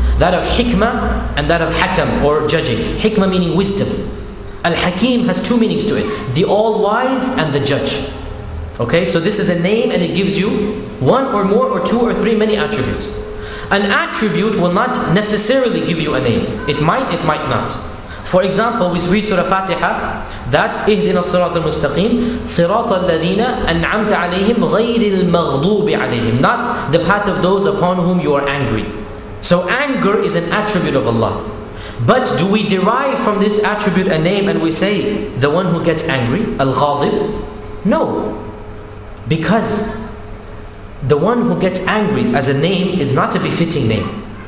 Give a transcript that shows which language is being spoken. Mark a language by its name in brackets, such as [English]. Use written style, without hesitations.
[English] That of Hikmah and that of Hakam, or judging. Hikmah meaning wisdom. Al-Hakim has two meanings to it, the All-Wise and the Judge. Okay, so this is a name and it gives you one or more or two or three many attributes. An attribute will not necessarily give you a name. It might not. For example, we read Surah Fatiha that [Arabic] اِهْدِنَا الصِّرَاطَ الْمُسْتَقِيمِ صِرَاطَ الَّذِينَ أَنْعَمْتَ عَلَيْهِمْ غَيْرِ الْمَغْضُوبِ عَلَيْهِمْ. [English] Not the path of those upon whom you are angry. So anger is an attribute of Allah. But do we derive from this attribute a name and we say, the one who gets angry, Al-Ghadib? No. Because the one who gets angry as a name is not a befitting name.